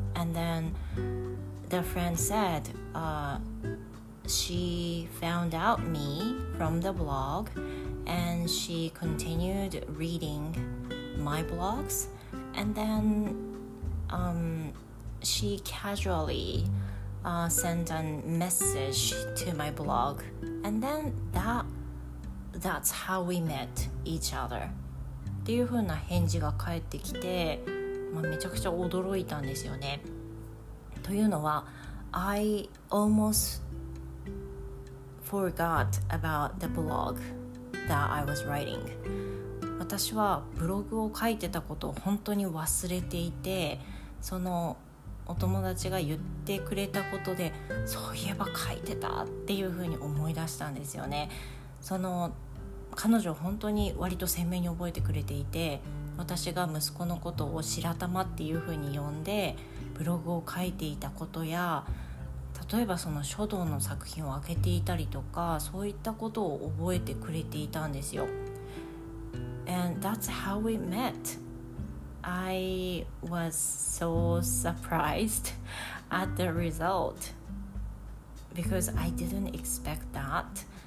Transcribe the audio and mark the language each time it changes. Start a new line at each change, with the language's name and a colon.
English: And then the friend said, she found out me from the blog, and she continued reading my blogs. And then she casually sent a message to my blog. And then that's how we met each other.
Japanese: っていう風な返事が返ってきて、まあ、めちゃくちゃ驚いたんですよね。というのは、
English: I almost forgot about the blog that I was writing.
Japanese: 私はブログを書いてたことを本当に忘れていて、そのお友達が言ってくれたことで、そういえば書いてたっていう風に思い出したんですよね。その彼女本当に割と鮮明に覚えてくれていて、私が息子のことを白玉っていう風に呼んでブログを書いていたことや、例えばその書道の作品を開けていたりとか、そういったことを覚えてくれていたんですよ。
English: And that's how we met. I was so surprised at the result because I didn't expect that.